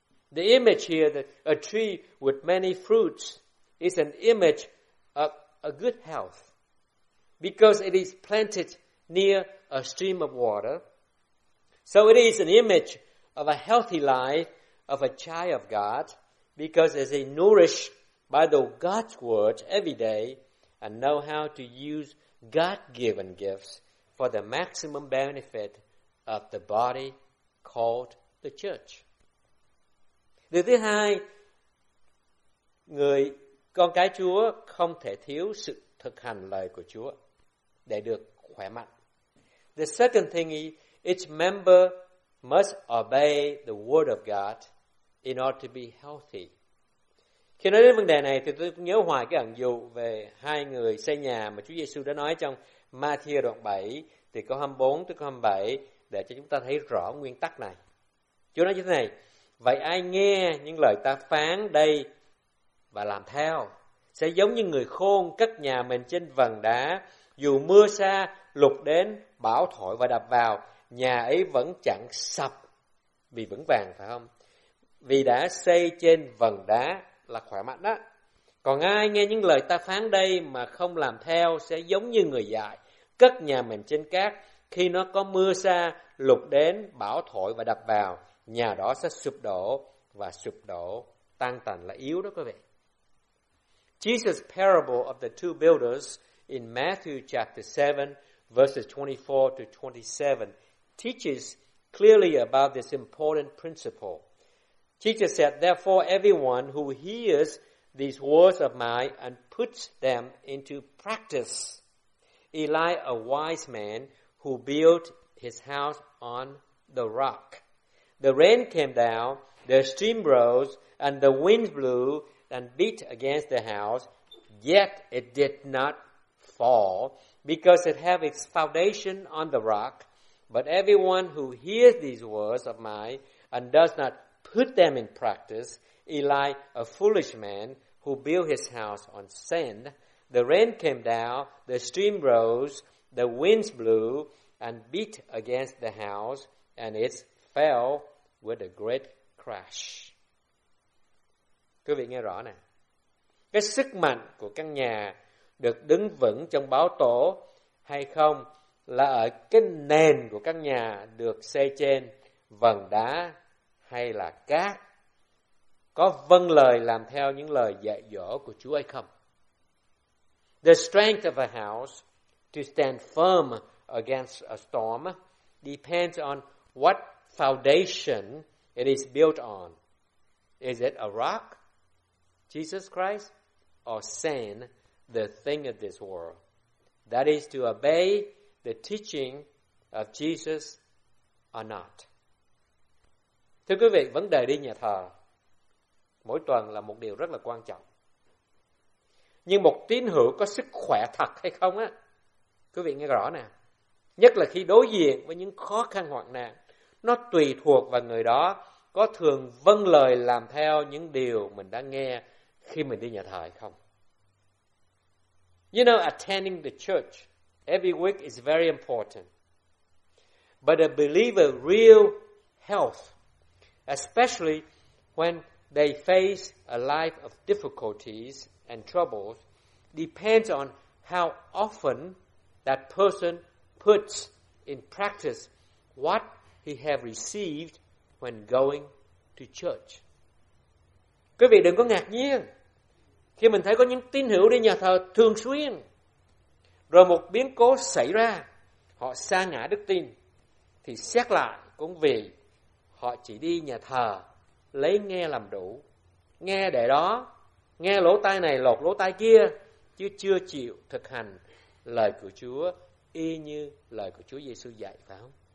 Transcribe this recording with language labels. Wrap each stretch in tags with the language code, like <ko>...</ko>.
<en>The image here that a tree with many fruits is an image of a good health. Because it is planted near a stream of water, so it is an image of a healthy life of a child of God, because it is nourished by the God's word every day and know how to use God-given gifts for the maximum benefit of the body called the church.</en> <vi>Điều thứ hai, người con cái Chúa không thể thiếu sự thực hành lời của Chúa để được khỏe mạnh.</vi> <en>The second thing is, each member must obey the word of God in order to be healthy.</en> <vi>Khi nói đến vấn đề này thì tôi nhớ hoài cái ẩn dụ về hai người xây nhà mà Chúa Giê-xu đã nói trong Ma-thi-ơ đoạn 7, từ câu 24 tới câu 27, để cho chúng ta thấy rõ nguyên tắc này. Chúa nói như thế này, vậy ai nghe những lời ta phán đây và làm theo sẽ giống như người khôn cất nhà mình trên vần đá, dù mưa sa lục đến bão thổi và đập vào, nhà ấy vẫn chẳng sập vì vững vàng, phải không? Vì đã xây trên vần đá là khỏe mạnh đó. Còn ai nghe những lời ta phán đây mà không làm theo sẽ giống như người dại cất nhà mình trên cát, khi nó có mưa sa lục đến bão thổi và đập vào, nhà đó sẽ sụp đổ và sụp đổ tan tành, là yếu đó quý vị.</vi> <en>Jesus' parable of the two builders in Matthew chapter 7 verses 24 to 27 teaches clearly about this important principle. Jesus said, therefore everyone who hears these words of mine and puts them into practice is like a wise man who built his house on the rock. The rain came down, the stream rose, and the wind blew and beat against the house, yet it did not fall because it have its foundation on the rock. But everyone who hears these words of mine and does not put them in practice is like a foolish man who built his house on sand. The rain came down, the stream rose, the winds blew and beat against the house, and it fell with a great crash.</en> <vi>Quý vị nghe rõ nè. Cái sức mạnh của căn nhà được đứng vững trong bão tố hay không là ở cái nền của căn nhà được xây trên vần đá hay là cát. Có vâng lời làm theo những lời dạy dỗ của Chúa hay không?</vi> <en>The strength of a house to stand firm against a storm depends on what foundation it is built on. Is it a rock, Jesus Christ, or sin, the thing of this world? That is to obey the teaching of Jesus or not.</en> <vi>Thưa quý vị, vấn đề đi nhà thờ mỗi tuần là một điều rất là quan trọng. Nhưng một tín hữu có sức khỏe thật hay không á, quý vị nghe rõ nè. Nhất là khi đối diện với những khó khăn hoạn nạn, nó tùy thuộc vào người đó có thường vâng lời làm theo những điều mình đã nghe khi mình đi nhà thờ hay không.</vi> <en>You know, attending the church every week is very important. But a believer real health, especially when they face a life of difficulties and troubles, depends on how often that person puts in practice what he have received when going to church.</en> <vi>Quý vị đừng có ngạc nhiên khi mình thấy có những tín hữu đi nhà thờ thường xuyên, rồi một biến cố xảy ra, họ sa ngã đức tin, thì xét lại cũng vì họ chỉ đi nhà thờ lấy nghe làm đủ, nghe để đó, nghe lỗ tai này lột lỗ tai kia, chứ chưa chịu thực hành lời của Chúa y như lời của Chúa Giê-xu dạy, phải không?</vi>